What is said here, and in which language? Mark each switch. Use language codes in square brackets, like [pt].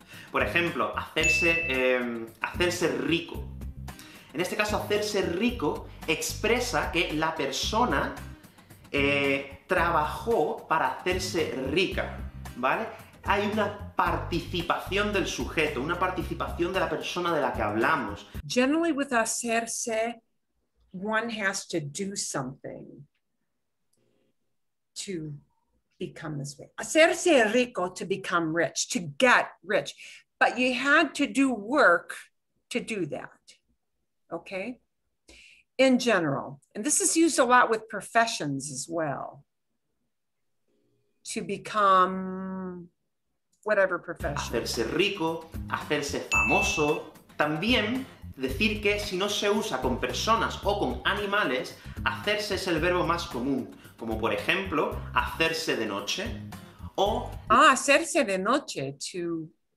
[es] Por ejemplo, hacerse rico. En este caso, hacerse rico expresa que la persona trabajó para hacerse rica, ¿vale? Hay una participación del sujeto, una participación de la persona de la que hablamos. [en] Generally with hacerse, one has to do something to become this way. [es] Hacerse rico [en] to become rich, to get rich. But you had to do work to do that, okay? In general, and this is used a lot with professions as well, to become whatever profession. [es] Hacerse rico, hacerse famoso. También decir que si no se usa con personas o con animales, hacerse es el verbo más común, como por ejemplo, hacerse de noche, o... Ah, hacerse de noche, to...